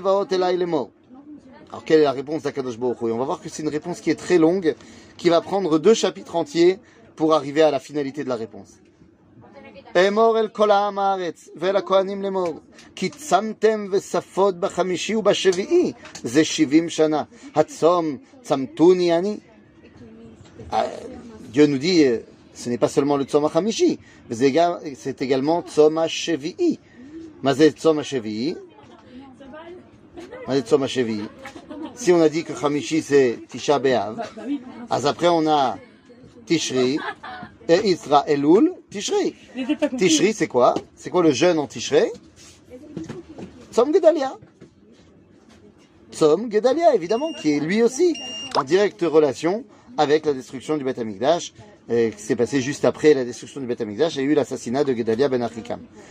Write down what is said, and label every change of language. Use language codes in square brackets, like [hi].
[fr] Alors quelle est la réponse d'Akadosh Baruch Hu? On va voir que c'est une réponse qui est très longue, qui va prendre deux chapitres entiers pour arriver à la finalité de la réponse. [he] אמור אל כל העם הארץ ולכהנים לאמור כי צמתם וספוד בחמישי ובשביעי זה 70 שנה הצום צמתוני אני [fr] Dieu nous dit ce n'est pas seulement le tzom [he] החמישי [fr] c'est également [he] tzom השביעי מה זה tzom השביעי? מה זה tzom השביעי? [fr] Si on a dit que חמישי c'est תשעה באב אז après on a תשרי et Isra Elul Tishri. Tishri, c'est quoi? C'est quoi le jeûne en Tishri? Tsom Gedalia. Tsom Gedalia, évidemment, qui est lui aussi en directe relation avec la destruction du Beth Amikdash, qui s'est passé juste après la destruction du Beth Amikdash et eu l'assassinat de Gedalia ben Achikam.